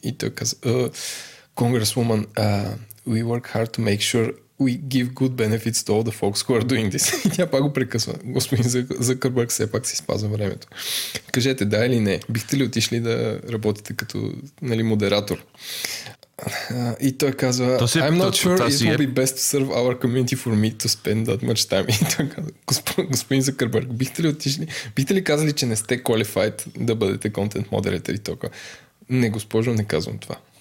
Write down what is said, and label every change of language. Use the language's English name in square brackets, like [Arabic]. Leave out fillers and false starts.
[Bulgarian] И той каза, [English] congresswoman, we work hard to make sure we give good benefits to all the folks who are doing this. [Bulgarian] И тя пак го прекъсва. Господин Закърбърг, все пак си спазва времето. Кажете, да или не? Бихте ли отишли да работите като, нали, модератор? И той казва, [English] I'm not sure it will be best to serve our community for me to spend that much time. [Bulgarian] И той казва, господин Закърбърг, бихте ли отишли? Бихте ли казали, че не сте qualified да бъдете контент модератор? И той казва, не, госпожо, не казвам това.